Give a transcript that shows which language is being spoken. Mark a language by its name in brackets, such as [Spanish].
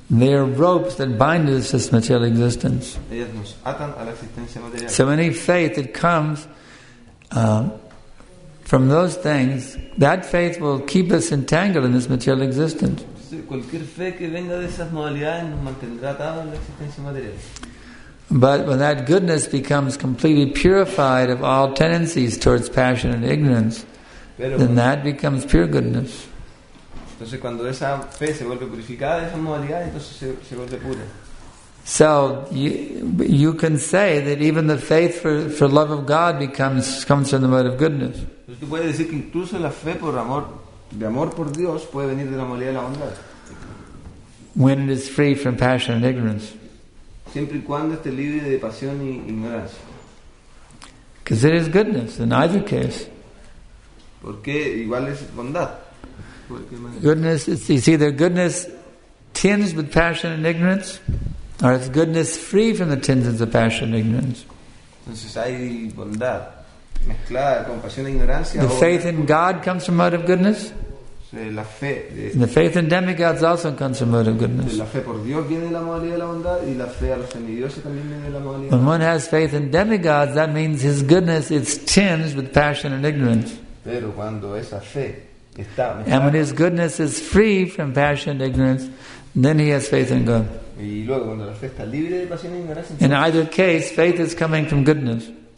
[English] They are ropes that bind us to this material existence. [Spanish] Ellas nos atan a la existencia material. [English] So any faith that comes from those things, that faith will keep us entangled in this material existence. [Spanish] Sí, cualquier fe que venga de esas modalidades nos mantendrá atados a la existencia material. [English] But when that goodness becomes completely purified of all tendencies towards passion and ignorance, [Spanish] pero [English] then that becomes pure goodness. [Spanish] Entonces cuando esa fe se vuelve purificada de esa modalidad, entonces se vuelve pura. [English] So you can say that even the faith for love of God comes from the mode of goodness. [Spanish] Entonces tú puedes decir que incluso la fe por amor por Dios puede venir de la modalidad de la bondad. [English] When it is free from passion and ignorance. [Spanish] Siempre y cuando esté libre de pasión y ignorancia. [English] Because it is goodness in either case. [Spanish] Porque igual es bondad. [English] Goodness, it's either goodness tinged with passion and ignorance, or it's goodness free from the tinges of passion and ignorance. [Spanish] Entonces hay bondad mezclada con pasión e ignorancia. [English] The faith in God comes from out of goodness. [Spanish] La fe [English] de, the faith in demigods also comes from out of goodness. [Spanish] La fe por Dios viene de la modalidad de la bondad, y la fe a los semidioses también viene de la modalidad. [English] When one has faith in demigods, that means his goodness is tinged with passion and ignorance. [Spanish] Pero cuando esa fe, [English] and when his goodness is free from passion and ignorance, then he has faith in God. In either case, faith is coming from goodness.